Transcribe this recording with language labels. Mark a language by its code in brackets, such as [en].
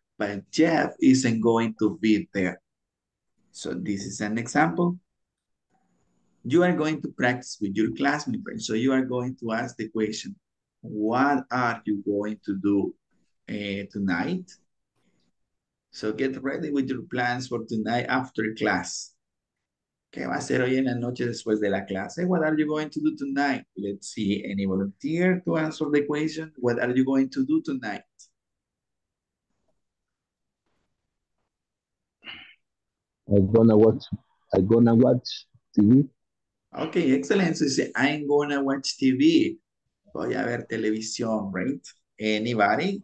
[en] But Jeff isn't going to be there. So this is an example. You are going to practice with your classmate. So you are going to ask the question, what are you going to do tonight? So get ready with your plans for tonight after class. [es] ¿Qué va a hacer hoy en la noche después de la clase? [en] What are you going to do tonight? Let's see, any volunteer to answer the question, what are you going to do tonight? I'm gonna watch TV. Okay, excellent. So you say, I'm gonna watch TV. [es] Voy a ver televisión, [en] right? Anybody?